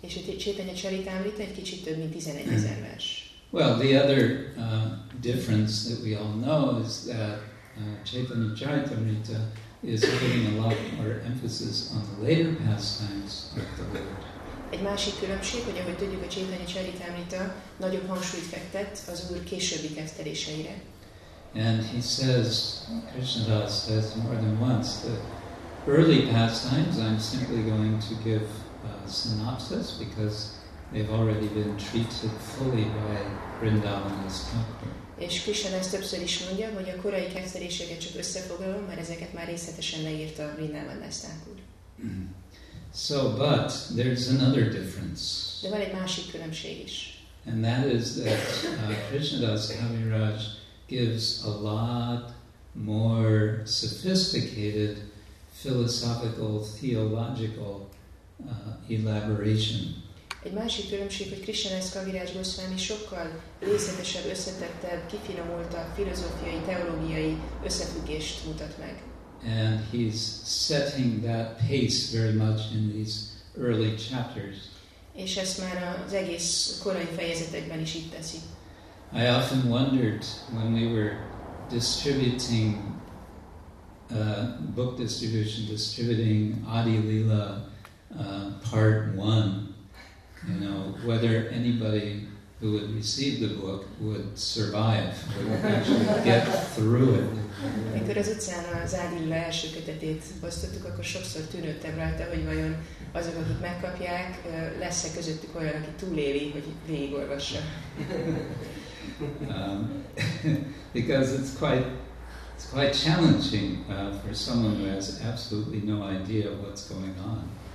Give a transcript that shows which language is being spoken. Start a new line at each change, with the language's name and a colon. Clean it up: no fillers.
Hungarian: És a Chaitanya Charitamrita egy kicsit több mint 11,000 vers.
English: Well, the other difference that we all know is that Chaitanya Charitamrita is putting a lot more emphasis on the later pastimes of the Lord.
Hungarian: Egy másik különbség, hogy ahogy tudjuk, a Chaitanya Charitamrita nagyobb hangsúlyt fektet az Úr későbbi keszteléseire.
English: And he says, Krishnadas says more than once, the early pastimes I'm simply going to give a synopsis because they've already been treated fully by Vrindavan Das Thakur.
Hungarian: És Krishnadas többször is mondja, hogy a korai keszteléseket csak összefoglalom, mert ezeket már részletesen leírta a Vrindavan Das Thakur.
English: So, but there's another difference.
Hungarian: De van egy másik különbség is.
English: And that is that Krishnadas Kaviraj gives a lot more sophisticated philosophical, theological elaboration.
Hungarian: Egy másik különbség, hogy Krishnadas Kaviraj Goswami sokkal részletesebb, összetettebb, kifinomultabb filozófiai, teológiai összefüggést mutat meg.
English: And he's setting that pace very much in these early chapters.
Hungarian: És ezt már az egész korai fejezetekben is itt teszi.
English: I often wondered when we were distributing book distribution, distributing Adi Lila part one, you know, whether anybody who would receive the book would survive, would actually get through it.
Hungarian: Mikor az utcán az Adi Lila első kötetét osztottuk, akkor sokszor tűnődtem rajta, hogy vajon azok, akik megkapják, lesz-e közöttük olyan, aki túléli, hogy végigolvassa.
English: Because it's quite It's quite challenging for someone who has absolutely no idea what's going on.